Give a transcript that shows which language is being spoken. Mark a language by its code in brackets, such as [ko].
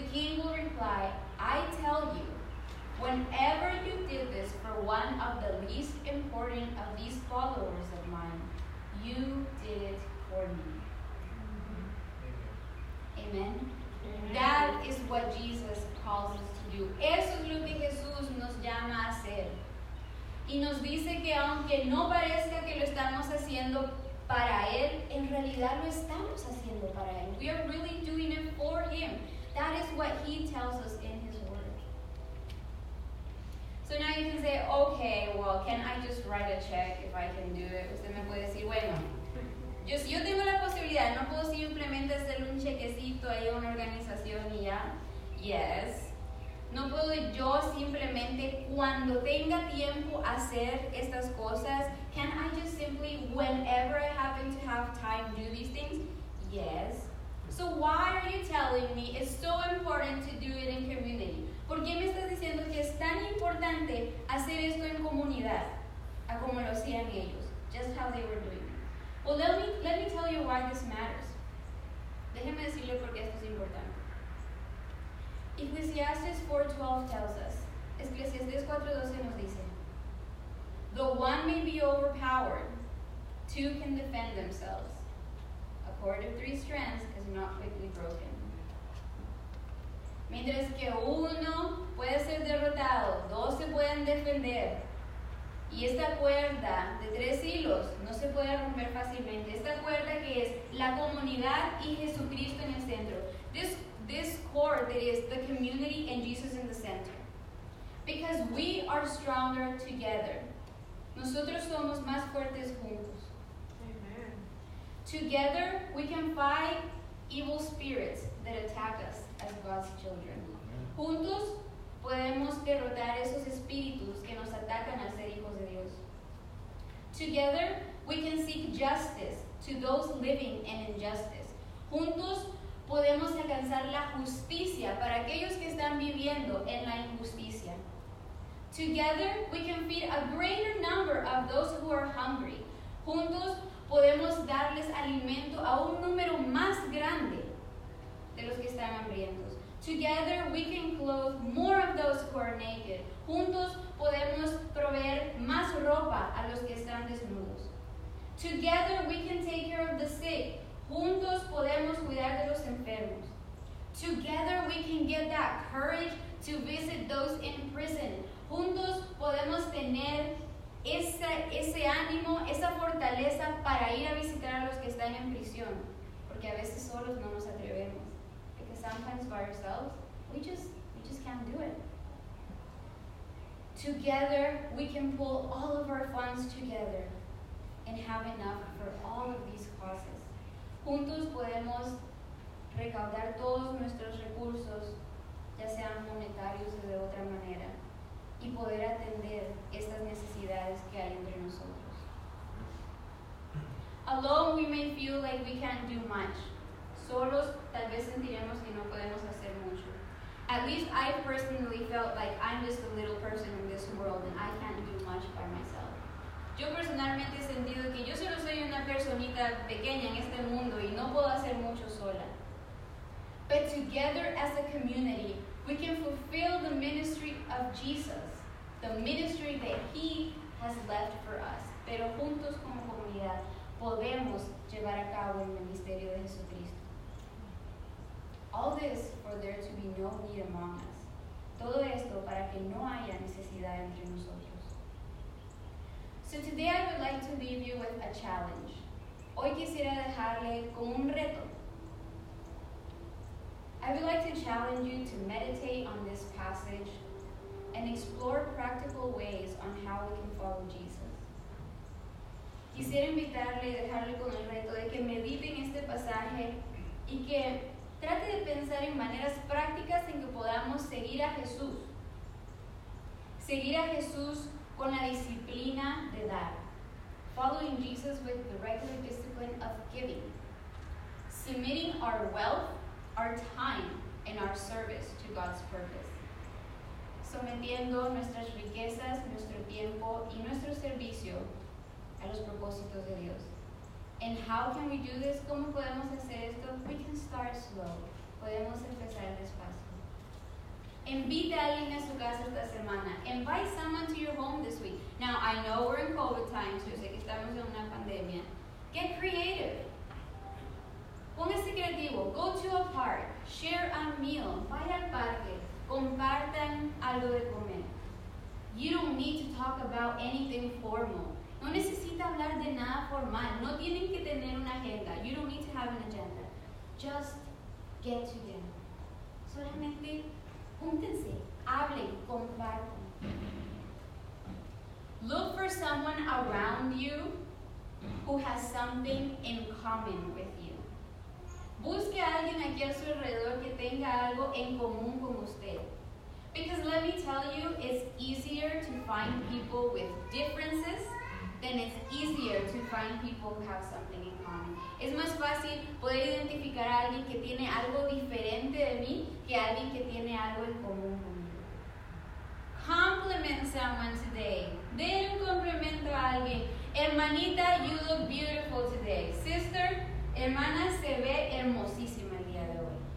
[en] The king will reply, I tell you, whenever you did this for one of the least important of these followers of mine, you did it for me. Amen. Amen. That is what Jesus calls us to do. [es] Eso es lo que Jesús nos llama a hacer. Y nos dice que aunque no parezca que lo estamos haciendo para Él, en realidad lo estamos haciendo para Él. [en] We are really doing it for Him. That is what He tells us in His Word. So now you can say, okay, well, can I just write a check if I can do it? [es] Usted me puede decir, bueno, yo, si yo tengo la posibilidad, ¿no puedo simplemente hacer un chequecito ahí a una organización y ya? [en] Yes. [es] ¿No puedo yo simplemente, cuando tenga tiempo, hacer estas cosas? [en] Can I just simply, whenever I happen to have time, do these things? Yes. So why are you telling me it's so important to do it in community? [es] ¿Por qué me estás diciendo que es tan importante hacer esto en comunidad? A como lo hacían ellos. [en] Just how they were doing. Well, let me tell you why this matters. [es] Déjeme decirle por qué esto es importante. [en] Ecclesiastes 4:12 tells us, Ecclesiastes 4:12 [es] nos dice, [en] though one may be overpowered, two can defend themselves. A cord of three strands is not quickly broken. [es] Mientras que uno puede ser derrotado, dos se pueden defender. Y esta cuerda de tres hilos no se puede romper fácilmente. Esta cuerda que es la comunidad y Jesucristo en el centro. [en] This cord that is the community and Jesus in the center. Because we are stronger together. [es] Nosotros somos más fuertes juntos. [en] Amen. Together we can fight evil spirits that attack us as God's children. Amen. [es] Juntos podemos derrotar esos espíritus que nos atacan al ser hijos de Dios. [en] Together, we can seek justice to those living in injustice. [es] Juntos, podemos alcanzar la justicia para aquellos que están viviendo en la injusticia. [en] Together, we can feed a greater number of those who are hungry. [es] Juntos, podemos darles alimento a un número más grande de los que están hambrientos. [en] Together, we can clothe more of those who are naked. [es] Juntos, podemos proveer más ropa a los que están desnudos. [en] Together, we can take care of the sick. [es] Juntos, podemos cuidar de los enfermos. [en] Together, we can get that courage to visit those in prison. [es] Juntos, podemos tener ese ánimo, esa fortaleza para ir a visitar a los que están en prisión. Porque a veces solos no nos atrevemos. [en] Sometimes by ourselves, we just can't do it. Together, we can pull all of our funds together and have enough for all of these causes. [es] Juntos podemos recaudar todos nuestros recursos, ya sean monetarios o de otra manera, y poder atender estas necesidades que hay entre nosotros. [en] Alone, we may feel like we can't do much. [es] Solos, tal vez sentiremos que no podemos hacer mucho. [en] At least I personally felt like I'm just a little person in this world and I can't do much by myself. [es] Yo personalmente he sentido que yo solo soy una personita pequeña en este mundo y no puedo hacer mucho sola. [en] But together as a community, we can fulfill the ministry of Jesus, the ministry that He has left for us. [es] Pero juntos como comunidad podemos llevar a cabo el ministerio de Jesucristo. [en] All this for there to be no need among us. [es] Todo esto para que no haya necesidad entre nosotros. [en] So today I would like to leave you with a challenge. [es] Hoy quisiera dejarle con un reto. [en] I would like to challenge you to meditate on this passage and explore practical ways on how we can follow Jesus. [es] Quisiera invitarle y dejarle con el reto de que medite en este pasaje y que trate de pensar en maneras prácticas en que podamos seguir a Jesús. Seguir a Jesús con la disciplina de dar. [en] Following Jesus with the regular discipline of giving. Submitting our wealth, our time, and our service to God's purpose. [es] Sometiendo nuestras riquezas, nuestro tiempo, y nuestro servicio a los propósitos de Dios. [en] And how can we do this? [es] ¿Cómo podemos hacer esto? [en] We can start slow. [es] Podemos empezar despacio. Invite a alguien a su casa esta semana. [en] Invite someone to your home this week. Now, I know we're in COVID times. [es] Yo sé que estamos en una pandemia. [en] Get creative. [es] Póngase creativo. [en] Go to a park. Share a meal. [es] Vaya al parque. Compartan algo de comer. [en] You don't need to talk about anything formal. [es] No necesita hablar de nada formal. No tienen que tener una agenda. [en] You don't need to have an agenda. Just get together. [es] Solamente júntense. Hablen. Compartan. [en] Look for someone around you who has something in common with you. [es] Busque a alguien aquí a su alrededor que tenga algo en común con usted. [en] Because let me tell you, it's easier to find people with differences than it's easier to find people who have something in common. [es] Es más fácil poder identificar a alguien que tiene algo diferente de mí que a alguien que tiene algo en común conmigo. [en] Compliment someone today. [es] Den un complemento a alguien. Hermanita, [en] you look beautiful today. [es] Sister, hermana, se ve hermosísima el día de hoy.